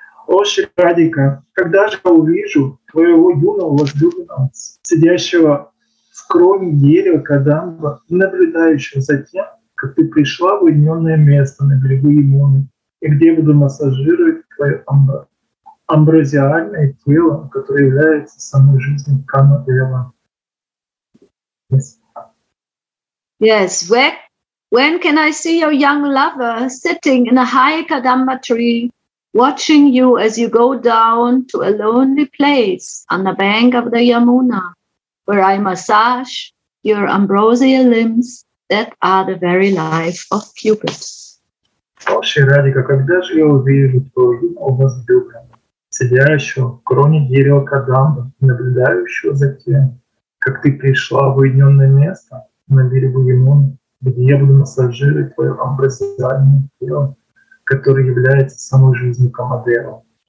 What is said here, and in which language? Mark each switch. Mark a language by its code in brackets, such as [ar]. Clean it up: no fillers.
[ru] О, Шри Радика, когда же я увижу твоего юного возлюбленного, сидящего в кроне дерева Кадамба, наблюдающего за тем, как ты пришла в уединенное место на берегу Ямоны, и где я буду массажировать твое амбразиальное тело, которое является самой жизнью Кама-Дева. [en] Yes. Yes, when can I see your young lover sitting in a high Kadamba tree, watching you as you go down to a lonely place on the bank of the Yamuna, where I massage your ambrosial limbs that are the very life of Cupid. [ru] О, Шри Радика, когда же я увижу твоего возлюбленного, сидящего в кроне дерева Кадамба, наблюдающего за тем, как ты пришла в уединенное место на берегу Ямуны, где я буду массажировать твое амбразиальное тело, который является самой жизнью Камадева.